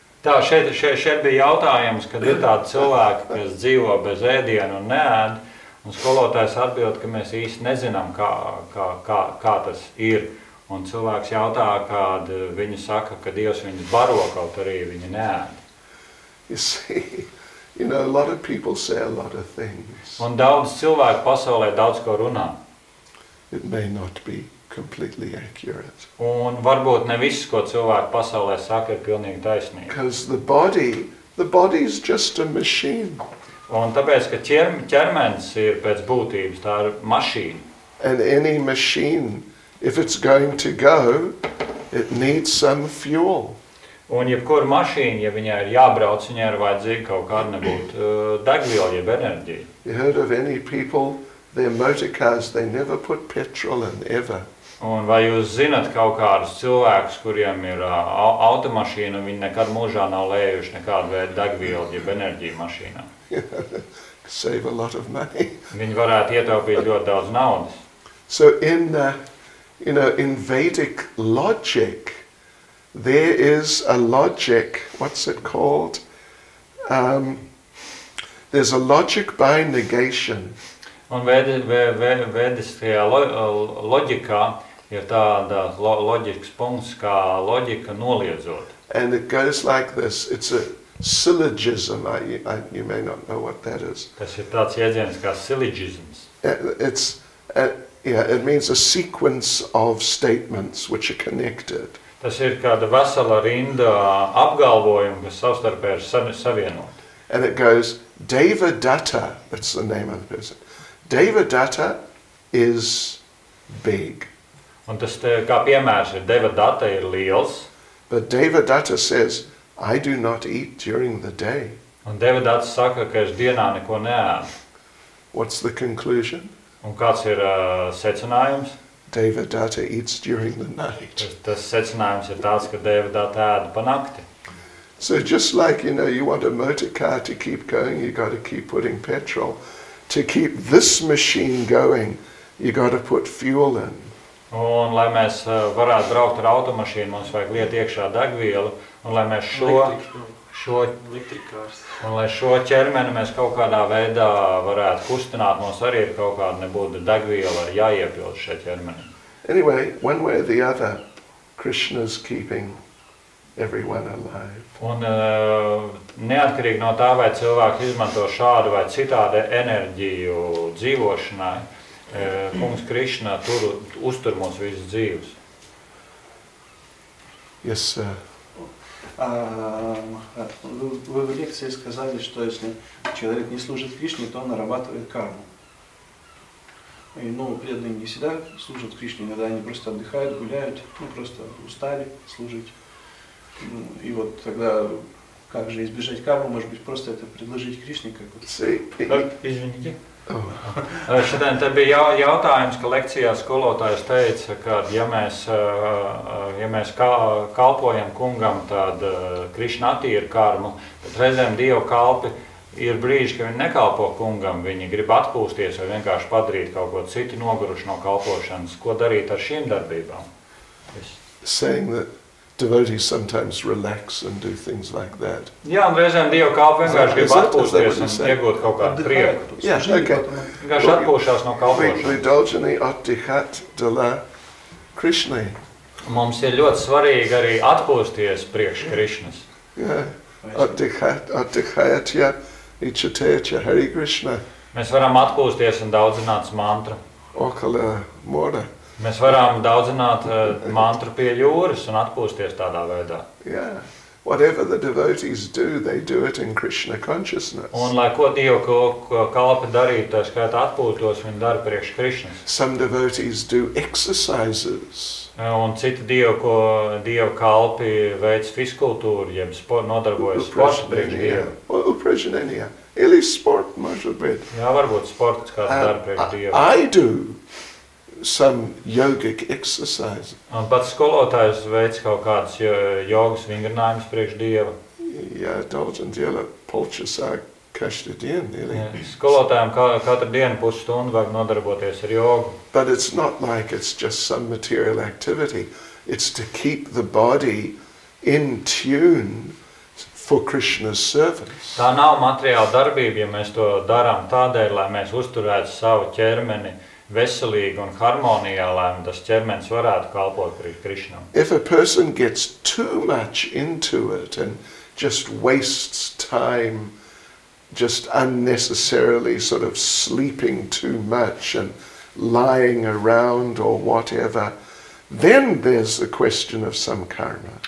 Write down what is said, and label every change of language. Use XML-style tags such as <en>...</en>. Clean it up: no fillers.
<lv>Tā, šeit bija jautājums, kad ir tādi cilvēki, kas dzīvo bez ēdiena un neēd. Un skolotājs atbild, ka mēs īsti nezinām, kā tas ir. Un cilvēks jautā, kād viņi saka, ka Dievs viņu baro, kaut arī viņi neēd.</lv> <en>You see, you know, a lot of people say a lot of things.</en> <lv>Un daudz cilvēku pasaulē daudz ko runā.</lv> <en>It may not be completely accurate.</en> <lv>Un varbūt ne viss, ko cilvēku pasaulē saka, ir pilnīgi taisnība.</lv> <en>Because the body is just a machine.</en> <lv>Un tāpēc, ka ķermens ir pēc būtības, tā ir mašīna.</lv> <en>And any machine, if it's going to go, it needs some fuel.</en> <lv>Un jebkura mašīna, ja viņai ir jābrauc, viņai ir vajadzīga kaut kāda nebūt degviela, jeb enerģija.</lv> <en>You heard of any people their motor cars, they never put petrol in, ever.</en> <lv>Un vai jūs zināt kaut kādus cilvēkus, kuriem ir automašīna, viņi nekad mūžā nav lējuši nekādu veidu degvielu, jeb enerģiju mašīnā?</lv> <en>Save a lot of money.</en> <lv>Viņi varētu ietaupīt ļoti daudz naudas.</lv> <en>So in you know, in Vedic logic, there is a logic, what's it called? There's a logic by negation.</en> <lv>Un vediskajā loģikā ir tāda loģikas punkts, kā loģika noliedzot.</lv> <en>And it goes like this, it's a syllogism, you may not know what that is.</en> <lv>Tas ir tāds jēdziens kā syllogisms.</lv> <en>It means a sequence of statements which are connected.</en> <lv>Tas ir kāda vesela rinda apgalvojumu, kas savstarpē ir savienot.</lv> <en>And it goes, Devadatta, that's the name of the person. Devadatta is big.</en> <lv>Un tas kā piemērs ir, Devadatta ir liels.</lv> <en>But Devadatta says, I do not eat during the day.</en> <lv>Un Devadatta saka, ka es dienā neko neēd.</lv> <en>What's the conclusion?</en> <lv>Un kāds ir secinājums?</lv> <en>Devadatta eats during the night.</en> <lv>Tas secinājums ir tāds, ka Devadatta ēd pa nakti.</lv> <en>So just like, you know, you want a motor car to keep going, you got to keep putting petrol. To keep this machine going, you got to put fuel in.</en> <lv>Un lai mēs varētu braukt ar automašīnu, mums vajag liet iekšā degvielu, un lai mēs šo ķermeni mēs kaut kādā veidā varētu kustināt, mums arī ir kaut kāda nebūtu degviela jāiepild šajā ķermenī.</lv> <en>Anyway, one way or the other, Krishna's keeping everyone alive.</en> <lv>Un neatkarīgi no tā, vai cilvēki izmanto šādu vai citādu enerģiju dzīvošanai, kungs Krišna tur uztur mūs visu dzīves.</lv> <en>Yes, sir.</en> <ru>Вы в лекции сказали, что если человек не служит Кришне, то он нарабатывает карму. И, ну, преданные не всегда служат Кришне, иногда они просто отдыхают, гуляют, ну, просто устали служить. И вот тогда как же избежать кармы, может быть, просто это предложить Кришне как вот. Извините.</ru> <lv>Šodien te bija jautājums, ka lekcijā skolotājs teica, ka ja mēs kalpojam kungam, tad Krišna attīra karmu, bet reizēm Dieva kalpi ir brīži, ka viņi nekalpo kungam, viņi grib atpūsties vai vienkārši padarīt kaut ko citu noguruši no kalpošanas. Ko darīt ar šīm darbībām?</lv> <en>Saying that devotees sometimes relax and do things like that.</en> <lv>Jā, un reizēm Dieva kalpi vienkārši grib atpūsties un iegūt kaut kādu prieku. Jā, okay. Vienkārši atpūšās no kalpošanas. Vidaljani atdihat de la Krishna. Mums ir ļoti svarīgi arī atpūsties priekš Krišnas. Atdihat, ja, ichatecha, Hare Krishna. Mēs varam atpūsties un daudzināt mantra. Okala mora. Mēs varam daudzināt mantru pie jūras un atpūsties tādā veidā.</lv> <en>Yeah. Whatever the devotees do, they do it in Krishna consciousness.</en> <lv>Un lai ko Dievu kalpi darītu, tā skaitā atpūtos, viņi dara priekš Krišnas.</lv> <en>Some devotees do exercises.</en> <lv>Un citi Dievu kalpi veic fizkultūru, jeb nodarbojas sporta priekš Dievu. Uprajnanya. Ili sport, maža bet. Jā, varbūt sports kāds dara priekš Dievu.</lv> <en>I do some yogic exercise.</en> <lv>Un pats skolotājs veic kaut kādas jogas vingrinājumus priekš Dieva. Jā, daudz un Dieva polčasā každa diena, ili? Skolotājiem katru dienu pusstundu vajag nodarboties ar jogu.</lv> <en>But it's not like it's just some material activity. It's to keep the body in tune for Krishna's service.</en> <lv>Tā nav materiāla darbība, ja mēs to darām tādēļ, lai mēs uzturētu savu ķermeni veselīgi un harmonijā, lai tas ķermenis varētu kalpot Krišnam.</lv> <en>If a person gets too much into it and just wastes time just unnecessarily sort of sleeping too much and lying around or whatever, then there's a question of some karma.</en>